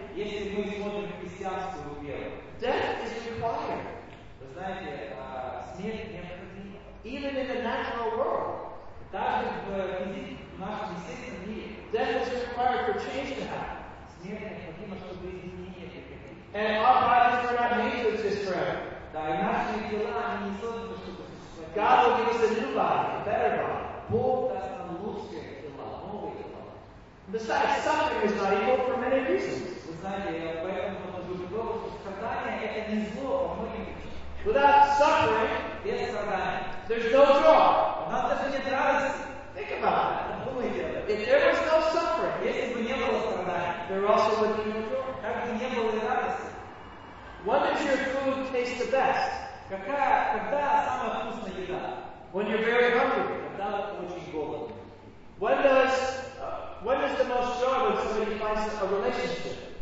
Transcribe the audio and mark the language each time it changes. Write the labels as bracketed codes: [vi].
[ru] если мы смотрим в христианскую веру, [en] death is required. [ru] Вы знаете, смерть необходима. [en] Even in the natural world, [ru] даже в нашем естественном мире, [en] death is required for change to happen. [ru] Смерть необходима, чтобы изменения приходили. [en] And our bodies are not made to exist forever. [ru] Да, и наши тела они не созданы, чтобы. [en] God will give us a new body, a better body. [ru] Бог даст нам лучшее тело, новое тело. [en] Besides, suffering is not evil for many reasons. [ru] Вы знаете, я поэтому могу сказать, что страдание это не зло, а многие вещи. [en] Without suffering, [ru] без страдания, [en] there's no joy. [ru] У нас даже нет радости. [en] Think about it. [ru] Думай об этом. [en] If there was no suffering, [ru] если бы не было страдания, [en] there also would be no joy. [ru] Как бы не было и радости. [en] What does your food taste the best? [ru] Когда самая вкусная еда? [en] When you're very hungry. [ru] Когда очень голоден. [en] When is the most joy when somebody finds a relationship?